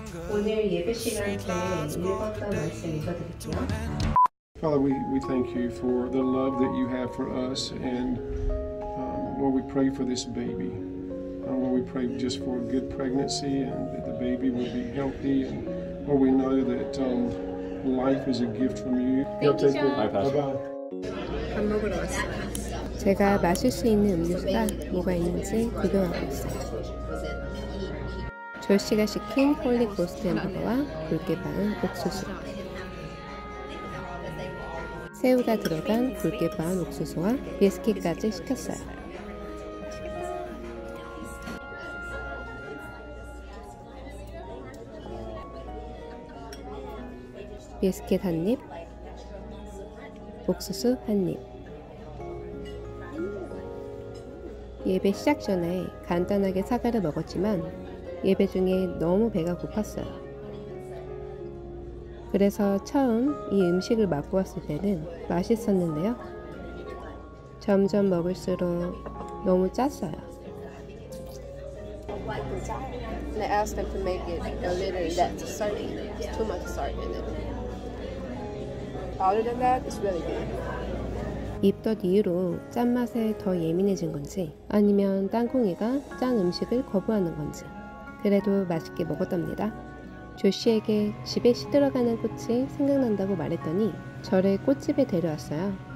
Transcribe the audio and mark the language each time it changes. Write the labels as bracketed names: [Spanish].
[Korean] 오늘 예배 시간에 읽었던 말씀 읽어드릴게요. [English] Father, we thank you for the love that you have for us, and Lord, we pray for this baby. Lord, we pray just for a good pregnancy and that the baby will be healthy. And Lord, we know that life is a gift from you. You'll take care. Bye, Pastor. Bye-bye. [Korean] 밥 먹으러 왔어요. 제가 마실 수 있는 음료수가 뭐가 있는지 구경하고 있어요. 조씨가 시킨 홀리 고스트 햄버거와 굵게 바른 옥수수. 새우가 들어간 굵게 바른 옥수수와 비스킷까지 시켰어요. 비스킷 한 입, 옥수수 한 입. 예배 시작 전에 간단하게 사과를 먹었지만 예배 중에 너무 배가 고팠어요. 그래서 처음 이 음식을 맛보 왔을 때는 맛있었는데요, 점점 먹을수록 너무 짰어요. [English] And I asked them to make it a little less salty. It's too much salt in it. Other than that, it's really good. [Korean] 입덧 이후로 짠맛에 더 예민해진 건지 아니면 땅콩이가 짠 음식을 거부하는 건지 그래도 맛있게 먹었답니다. 조씨에게 집에 시들어가는 꽃이 생각난다고 말했더니 저를 꽃집에 데려왔어요.